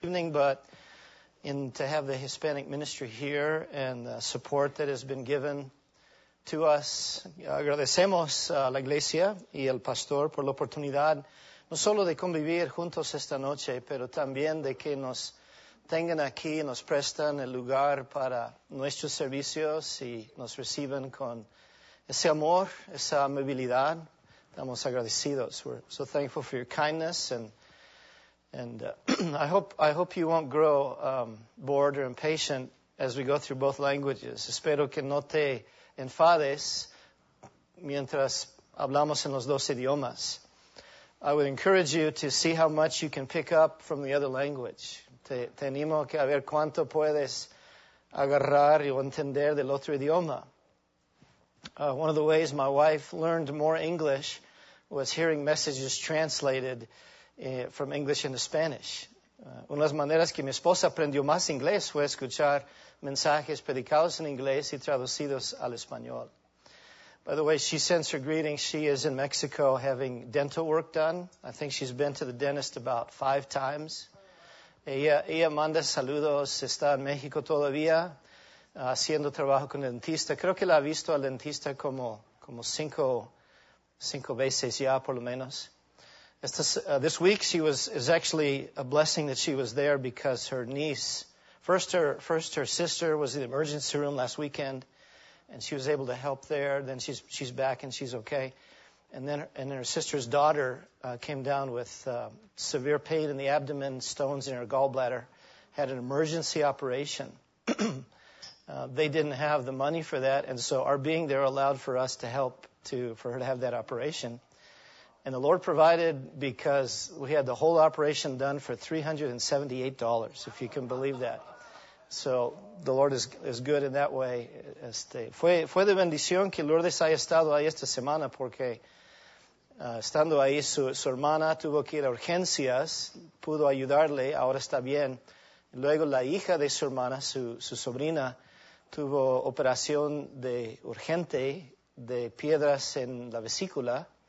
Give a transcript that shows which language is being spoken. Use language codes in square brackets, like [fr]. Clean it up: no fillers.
[en] evening, but in to have the Hispanic ministry here and the support that has been given to us. [es] Agradecemos a la iglesia y el pastor por la oportunidad no solo de convivir juntos esta noche, pero también de que nos tengan aquí y nos prestan el lugar para nuestros servicios y nos reciben con ese amor, esa amabilidad. Estamos agradecidos. [en] We're so thankful for your kindness, and I hope you won't grow bored or impatient as we go through both languages. [es] Espero que no te enfades mientras hablamos en los dos idiomas. [en] I would encourage you to see how much you can pick up from the other language. [es] Te animo que a ver cuánto puedes agarrar y entender del otro idioma. [en] One of the ways my wife learned more English was hearing messages translated from English into Spanish. [es] Una de las maneras que mi esposa aprendió más inglés fue escuchar mensajes predicados en inglés y traducidos al español. [en] By the way, she sends her greetings. She is in Mexico having dental work done. I think she's been to the dentist about 5 times. [es] Ella manda saludos. Está en México todavía haciendo trabajo con el dentista. Creo que la ha visto al dentista como cinco veces ya, por lo menos. [en] This week is actually a blessing that she was there because her niece, first her sister was in the emergency room last weekend, and she was able to help there. Then she's back and she's okay. And then her sister's daughter came down with severe pain in the abdomen, stones in her gallbladder, had an emergency operation. They didn't have the money for that, and so our being there allowed for us to help for her to have that operation. And the Lord provided because we had the whole operation done for $378, if you can believe that. So the Lord is good in that way. [es] Fue de bendición que Lourdes haya estado ahí esta semana porque estando ahí su hermana tuvo que ir a urgencias, pudo ayudarle, ahora está bien. Luego la hija de su hermana, su sobrina, tuvo operación de urgente de piedras en la vesícula.